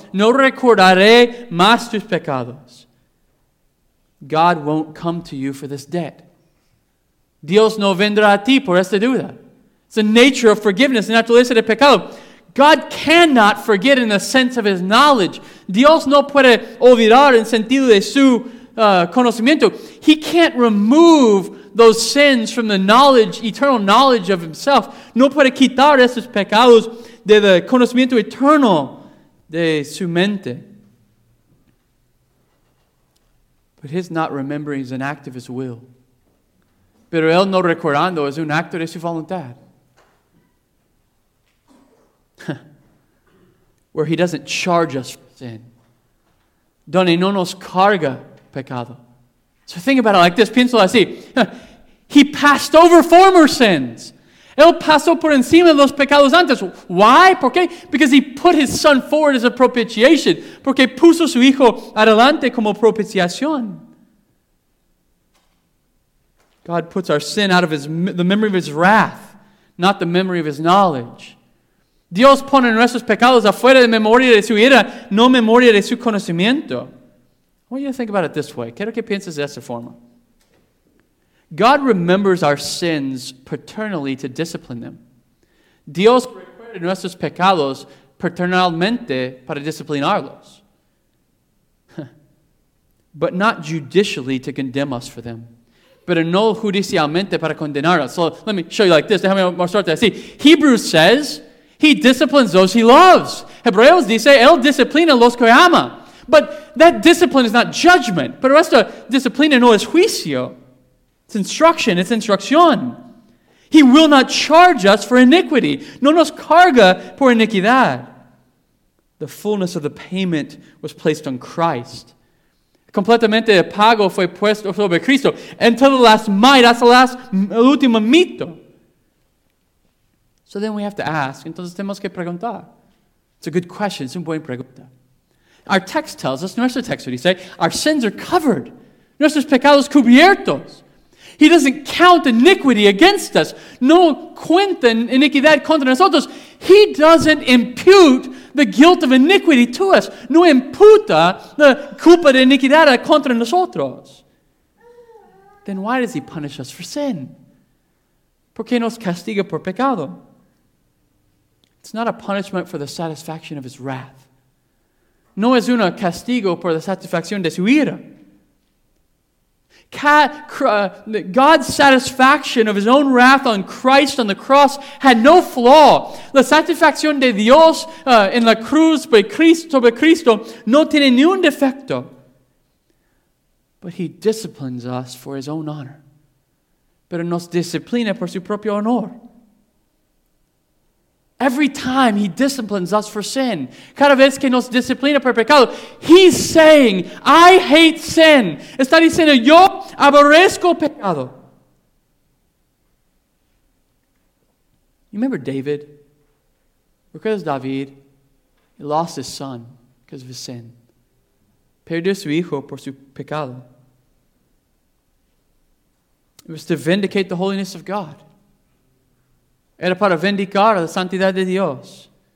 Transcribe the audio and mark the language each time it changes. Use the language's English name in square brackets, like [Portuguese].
[Spanish] No recordaré más tus pecados. [English] God won't come to you for this debt. [Spanish] Dios no vendrá a ti por esta deuda. [English] It's the nature of forgiveness, the [Spanish] naturaleza de pecado. [English] God cannot forget in the sense of his knowledge. [Spanish] Dios no puede olvidar en sentido de su conocimiento. [English] He can't remove those sins from the knowledge, eternal knowledge of himself. [Spanish] No puede quitar esos pecados de el conocimiento eterno de su mente. [English] But his not remembering is an act of his will. [Spanish] Pero él no recordando es un acto de su voluntad. [English] Where he doesn't charge us for sin. [Spanish] Donde no nos carga pecado. [English] So think about it like this. [Spanish] Piénsalo así. [English] He passed over former sins. [Spanish] Él pasó por encima de los pecados antes. [English] Why? [Spanish] ¿Por qué? [English] Because he put his son forward as a propitiation. [Spanish] Porque puso su hijo adelante como propiciación. [English] God puts our sin out of the memory of his wrath, not the memory of his knowledge. [Spanish] Dios pone nuestros pecados afuera de memoria de su ira, no memoria de su conocimiento. [English] I want you to think about it this way. [Spanish] Quiero que pienses de esta forma. [English] God remembers our sins paternally to discipline them. [Spanish] Dios recuerda nuestros pecados paternalmente para disciplinarlos. [English] But not judicially to condemn us for them. [Spanish] Pero no judicialmente para condenarnos. [English] So let me show you like this. [Spanish] Déjame mostrarte así. [English] Hebrews says, he disciplines those he loves. [Spanish] Hebreos dice, él disciplina los que ama. [English] But that discipline is not judgment. [Spanish] Pero esta disciplina no es juicio. [English] It's instruction. It's instrucción. He will not charge us for iniquity. [Spanish] No nos carga por iniquidad. [English] The fullness of the payment was placed on Christ. [Spanish] Completamente el pago fue puesto sobre Cristo. [English] Until the last mite, [Spanish] hasta el último mito. [English] So then we have to ask. [Spanish] Entonces tenemos que preguntar. [English] It's a good question. [Spanish] Es una buena pregunta. [English] Our text tells us, [Spanish] nuestro texto dice, [English] our sins are covered. [Spanish] Nuestros pecados cubiertos. [English] He doesn't count iniquity against us. [Spanish] No cuenta iniquidad contra nosotros. [English] He doesn't impute the guilt of iniquity to us. [Spanish] No imputa la culpa de iniquidad contra nosotros. [English] Then why does he punish us for sin? [Spanish] ¿Por qué nos castiga por pecado? [English] It's not a punishment for the satisfaction of his wrath. [Spanish] No es un castigo por la satisfacción de su ira. [English] God's satisfaction of his own wrath on Christ on the cross had no flaw. [Spanish] La satisfacción de Dios en la cruz sobre Cristo no tiene ni un defecto. [English] But he disciplines us for his own honor. [Spanish] Pero nos disciplina por su propio honor. [English] Every time he disciplines us for sin, [Spanish] cada vez que nos disciplina por pecado, [English] he's saying, I hate sin. [Spanish] Está diciendo, yo aborrezco pecado. [English] You remember David? [Spanish] Recuerdas David? [English] He lost his son because of his sin. [Spanish] Perdió su hijo por su pecado. [English] It was to vindicate the holiness of God. [Spanish] Era para vindicar la santidad de Dios.